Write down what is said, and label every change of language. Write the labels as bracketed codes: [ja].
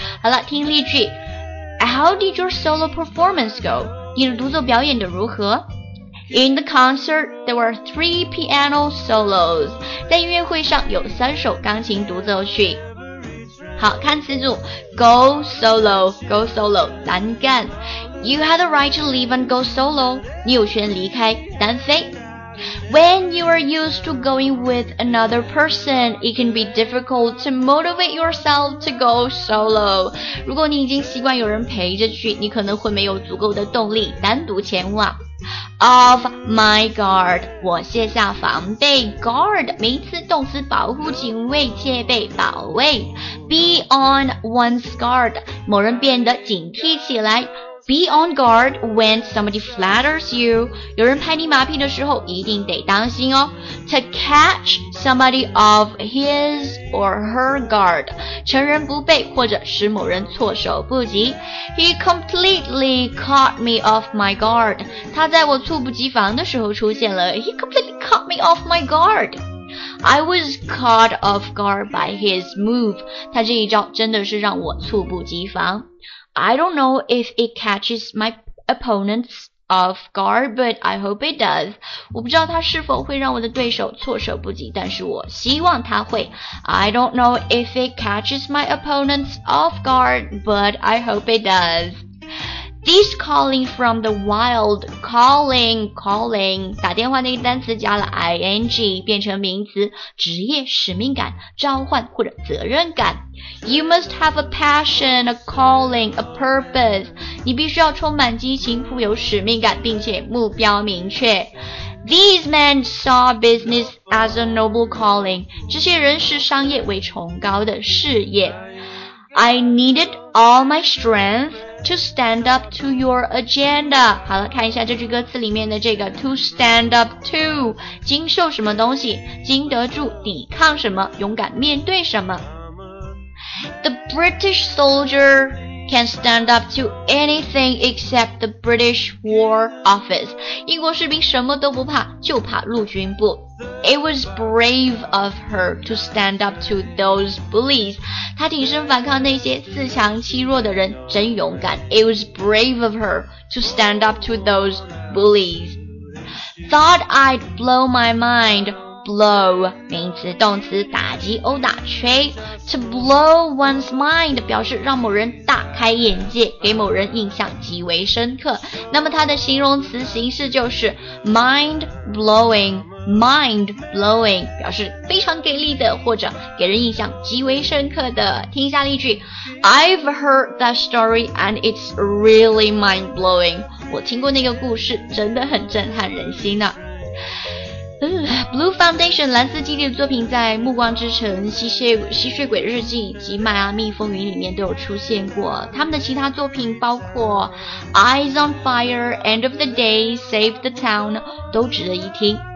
[zh] 好了，听例句。 [en] How did your solo performance go? [zh] 你的独奏表演的如何？ [en] In the concert, there were 3 piano solos. [zh] 在音乐会上有三首钢琴独奏曲。好，看词组。 [en] Go solo, [zh] 单干。 [en] You had the right to leave and go solo. [zh] 你有权离开，单飞。 [en] When you are used to going with another person, it can be difficult to motivate yourself to go solo. [zh] 如果你已经习惯有人陪着去，你可能会没有足够的动力单独前往。 [en] Off my guard, [zh] 我卸下防备。 Guard, 名词动词，保护、警卫、戒备、保卫。 [en] Be on one's guard, [zh] 某人变得警惕起来。 [en] Be on guard when somebody flatters you. [zh] 有人拍你马屁的时候一定得当心哦。 [en] To catch somebody off his or her guard. [zh] 乘人不备或者使某人措手不及。 [en] He completely caught me off my guard. [zh] 他在我猝不及防的时候出现了。 [en] He completely caught me off my guard. I was caught off guard by his move. [zh] 他这一招真的是让我猝不及防。 [en] I don't know if it catches my opponents off guard, but I hope it does. [zh] 我不知道他是否会让我的对手措手不及，但是我希望他会。 [en] I don't know if it catches my opponents off guard, but I hope it does. This calling from the wild, [zh] calling, 打电话那个单词加了 ing, 变成名词，职业、使命感、召唤或者责任感。 [en] You must have a passion, a calling, a purpose. [zh] 你必须要充满激情，富有使命感，并且目标明确。 [en] These men saw business as a noble calling. [zh] 这些人视商业为崇高的事业。 [en] I needed all my strength to stand up to your agenda. [zh] 好了，看一下这句歌词里面的这个 [en] to stand up to, [zh] 经受什么东西，经得住，抵抗什么，勇敢面对什么。 [en] The British soldier can stand up to anything except the British War Office. [zh] 英国士兵什么都不怕，就怕陆军部。 [en] It was brave of her to stand up to those bullies. [zh] 她挺身反抗那些自强欺弱的人，真勇敢。 [en] It was brave of her to stand up to those bullies. Thought I'd blow my mind. Blow, [zh] 名词、动词，打击、殴打、吹。 [en] To blow one's mind [zh] 表示让某人大开眼界，给某人印象极为深刻。那么它的形容词形式就是 mind blowing 表示非常给力的或者给人印象极为深刻的。听一下例句。 [en] I've heard that story and it's really mind blowing. [zh] 我听过那个故事，真的很震撼人心啊。 Blue Foundation 蓝色基地的作品在《暮光之城》、《吸血鬼日记》以及《迈阿密风云》里面都有出现过。他们的其他作品包括《Eyes on Fire》、《End of the Day》、《Save the Town》都值得一听。